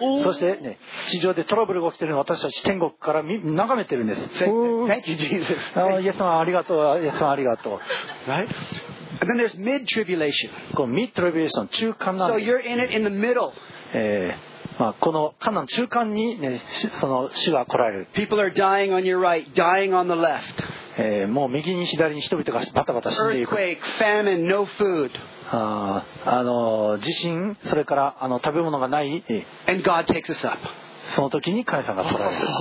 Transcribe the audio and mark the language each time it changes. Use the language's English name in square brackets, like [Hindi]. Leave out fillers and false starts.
[Japanese] そして、ね、地上でトラブルが起きているのを私たち天国から眺めているんです [English] Thank you, Jesus. [Japanese] イエス様ありがとうイエス様ありがとう、 [English] right? And then there's mid-tribulation. [Japanese] mid-tribulation 中間なんです。 [English] So you're in it in the middle. [Japanese] まあ、この間の中間に、ね、その主は来られる。 [English] People are dying on your right, dying on the left. [Japanese] もう右に左に人々がバタバタ死んでいく。 [English] Earthquake, famine, no food. [Japanese] 地震、それから食べ物がない。 [English] And God takes us up. [Japanese] その時に神様が来られる。